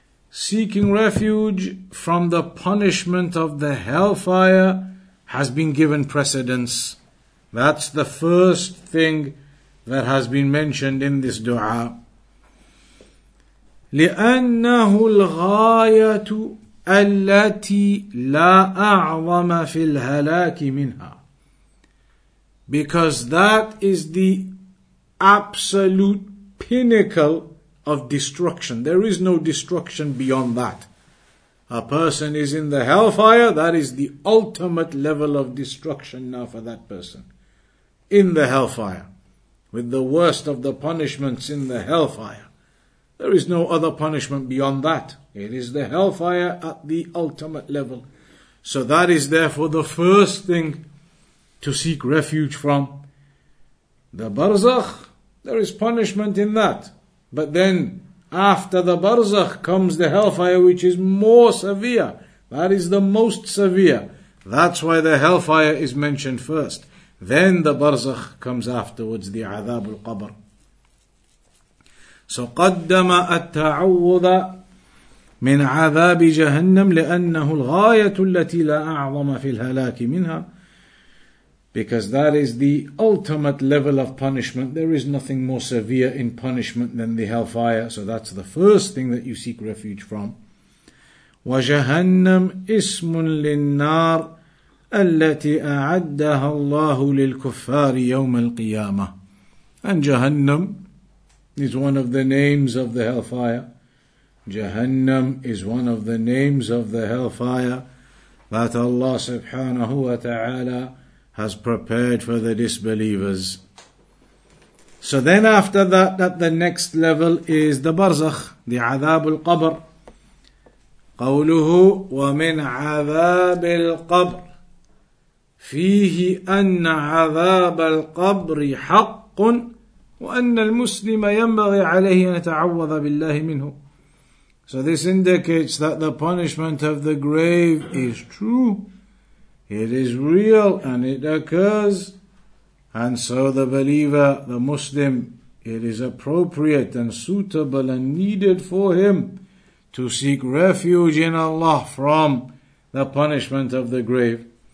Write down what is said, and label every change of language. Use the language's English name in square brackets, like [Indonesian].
[English] Seeking refuge from the punishment of the hellfire has been given precedence. That's the first thing that has been mentioned in this dua. [Arabic] لِأَنَّهُ الْغَايَةُ التي لا أعظم في الهلاك منها. [English] Because that is the absolute pinnacle of destruction. There is no destruction beyond that. A person is in the hellfire, that is the ultimate level of destruction now for that person. In the hellfire, with the worst of the punishments in the hellfire. There is no other punishment beyond that. It is the hellfire at the ultimate level. So that is therefore the first thing to seek refuge from. The barzakh, there is punishment in that. But then after the barzakh comes the hellfire, which is more severe. That is the most severe. That's why the hellfire is mentioned first. Then the barzakh comes afterwards, the azab al-qabr. So [Arabic] قدم التعوذ من عذاب جهنم لأنه الغاية التي لا أعظم في الهلاك منها. [English] Because that is the ultimate level of punishment. There is nothing more severe in punishment than the hellfire. So that's the first thing that you seek refuge from. [Arabic] وجهنم اسم للنار التي أعدها الله للكفار يوم القيامة. [English] And جهنم is one of the names of the hellfire. Jahannam is one of the names of the hellfire that Allah subhanahu wa ta'ala has prepared for the disbelievers. So then after that, at the next level is the barzakh, the azab al-qabr. [Arabic] قَوْلُهُ وَمِنْ عَذَابِ الْقَبْرِ فِيهِ أَنَّ عَذَابَ الْقَبْرِ حَقٌ وأن المسلم ينبغي عليه أن يتعوذ بالله منه. [English] So this indicates that the punishment of the grave is true, it is real, and it occurs. And so the believer, the Muslim, it is appropriate and suitable and needed for him to seek refuge in Allah from the punishment of the grave.